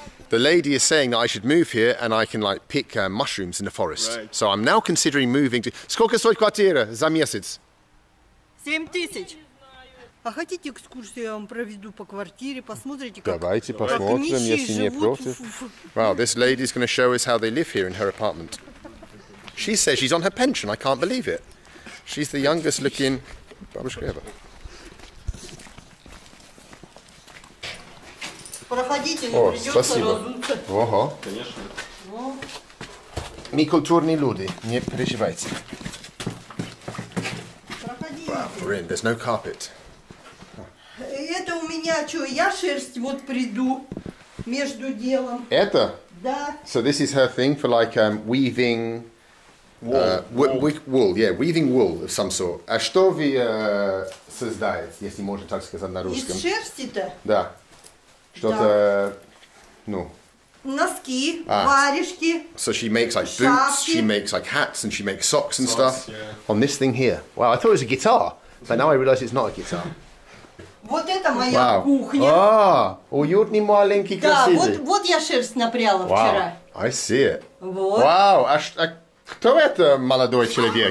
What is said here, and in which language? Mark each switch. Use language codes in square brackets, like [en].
[en] The lady is saying that I should move here and I can like pick mushrooms in the forest. Right. So I'm now considering moving to... [ru] Сколько стоит квартира за месяц? 7000. А хотите экскурсию, я вам проведу по квартире, посмотрите, как... Давайте посмотрим, если не против. [en] Wow, this lady is going to show us how they live here in her apartment. She says she's on her pension, I can't believe it. She's the youngest looking... Бабушка ever. [ru] Проходите, не придется разуться. Ого. Конечно. Мы культурные люди, не переживайте. Проходите. [en] Wow, there's no carpet. [ru] Это у меня что, я шерсть вот приду между делом. Это? Да. [en] So this is her thing for like weaving... Wool. Yeah, weaving wool of some sort. [ru] А что вы создаете, если можно так сказать на русском? Из шерсти-то? Да. Что-то, да. Ну. Носки, варежки. [en] So she makes like boots, [ru] шапки. [en] She makes like hats, and she makes socks and socks, stuff. Yeah. On this thing here. Wow, I thought it was a guitar, but now I realize it's not a guitar. [ru] Вот это моя кухня. А, уютный маленький красивый. Да, вот я шерсть напряла вчера. [en] I see it. [ru] Вот. Wow, а кто это молодой человек?